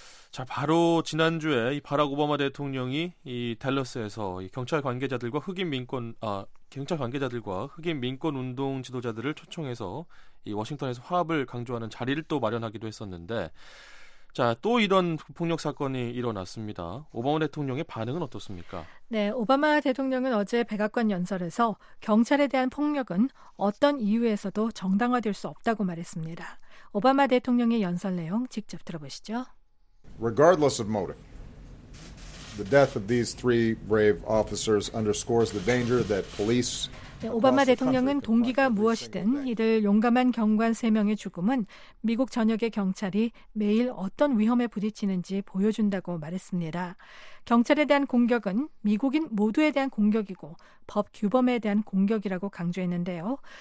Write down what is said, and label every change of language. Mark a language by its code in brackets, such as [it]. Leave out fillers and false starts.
[ko] 자, 바로 지난주에 이 바락 오바마 대통령이 이 댈러스에서 이 경찰 관계자들과 흑인 민권 경찰 관계자들과 흑인 민권 운동 지도자들을 초청해서 이 워싱턴에서 화합을 강조하는 자리를 또 마련하기도 했었는데, 자, 또 이런 폭력 사건이 일어났습니다. 오바마 대통령의 반응은 어떻습니까? 네, 오바마 대통령은 어제 백악관 연설에서 경찰에 대한 폭력은 어떤 이유에서도 정당화될 수 없다고 말했습니다. 오바마 대통령의 연설 내용 직접 들어보시죠. [en] Regardless of motive, the death of these three brave officers underscores the danger that police... [ko] 네, 오바마 대통령은 동기가 무엇이든 이들 용감한 경관 3명의 죽음은 미국 전역의 경찰이 매일 어떤 위험에 부딪히는지 보여준다고 말했습니다. 경찰에 대한 공격은 미국인 모두에 대한 공격이고 법 규범에 대한 공격이라고 강조했는데요.